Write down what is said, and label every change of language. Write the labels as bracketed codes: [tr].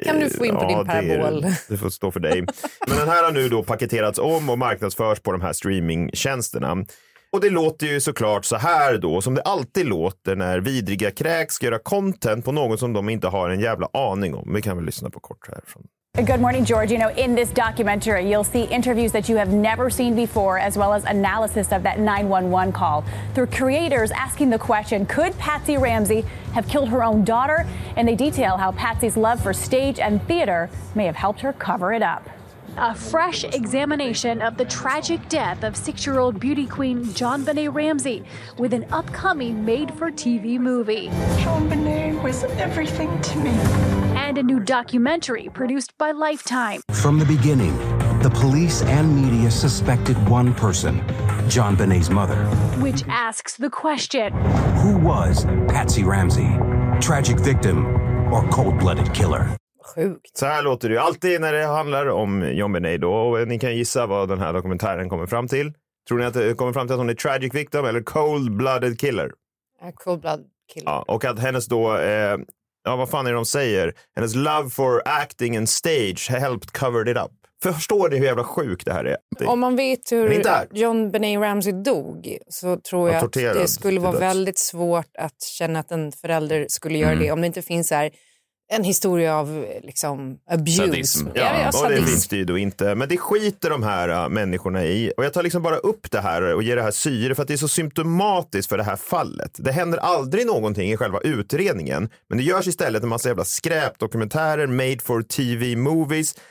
[sv] Kan du få in på din parabol? Det får stå för dig. Men den här har nu då paketerats om och marknadsförs på de här streamingtjänsterna. Och det låter ju såklart så här då, som det alltid låter när vidriga kräk ska göra content på någon som de inte har en jävla aning om. Vi kan väl lyssna på kort här från. [en] Good morning, George. You know, in this documentary, you'll see interviews that you have never seen before, as well as analysis of that 911 call. Through creators asking the question, could Patsy Ramsey have killed her own daughter? And they detail how Patsy's love for stage and theater may have helped her cover it up. A fresh examination of the tragic death of 6-year-old beauty queen JonBenet Ramsey with an upcoming made-for-TV movie. JonBenet was everything to me. And a new documentary produced by Lifetime. From the beginning, the police and media suspected one person, JonBenet's mother. Which asks the question, who was Patsy Ramsey? Tragic victim or cold-blooded killer? [sv] Sjukt. Så här låter det ju alltid när det handlar om JonBenet då. Och ni kan gissa vad den här dokumentären kommer fram till. Tror ni att det kommer fram till att hon är [en] tragic victim [sv] eller [en] cold-blooded killer? Cold-blooded killer. [sv] Ja, och att hennes då, ja vad fan är det de säger? [en] Hennes love for acting and stage helped cover it up. [sv] Förstår ni hur jävla sjukt det här är? Om man vet hur JonBenet Ramsey dog så tror jag att det skulle vara väldigt svårt att känna att en förälder skulle göra det. Om det inte finns så här... en historia av liksom abuse. Sadism. Ja, ja, och det finns det ju då inte. Men det skiter de här människorna i. Och jag tar liksom bara upp det här och ger det här syre för att det är så symptomatiskt för det här fallet. Det händer aldrig någonting i själva utredningen. Men det görs istället en massa jävla skräpdokumentärer, [en] made for TV movies.